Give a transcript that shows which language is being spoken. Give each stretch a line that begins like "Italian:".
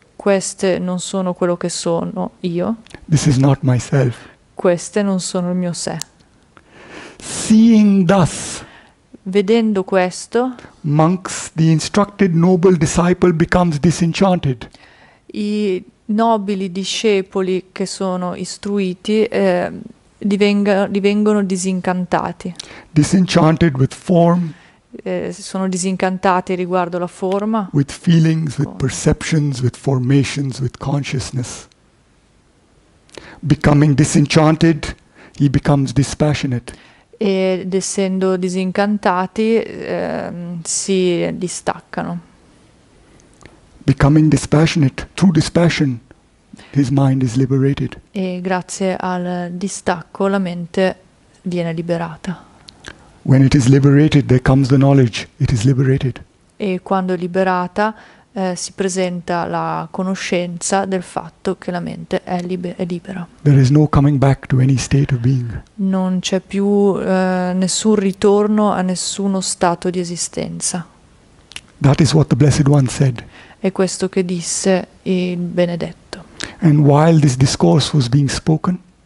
Italian: Queste non sono quello che sono io.
English: This is not myself.
Italian: Queste non sono il mio sé.
English: Seeing thus,
Italian: Vedendo questo,
English: monks, the instructed noble disciple becomes disenchanted.
Italian: i nobili discepoli che sono istruiti, divengono disincantati.
English: Disenchanted with form,
Italian: Sono disincantati riguardo la forma.
English: with feelings, with perceptions, with formations, with consciousness. Becoming disenchanted, he becomes dispassionate.
Italian: Ed essendo disincantati, si distaccano.
English: Becoming dispassionate, through dispassion, his mind is liberated.
Italian: E grazie al distacco la mente viene liberata.
English: When it is liberated, there comes the knowledge, it is liberated.
Italian: E quando è liberata, si presenta la conoscenza del fatto che la mente è libera.
English: There is no coming back to any state of being.
Italian: Non c'è più nessun ritorno a nessuno stato di esistenza. È
English: That is what the Blessed One said.
Italian: questo che disse il benedetto.
English: And while this discourse was being spoken,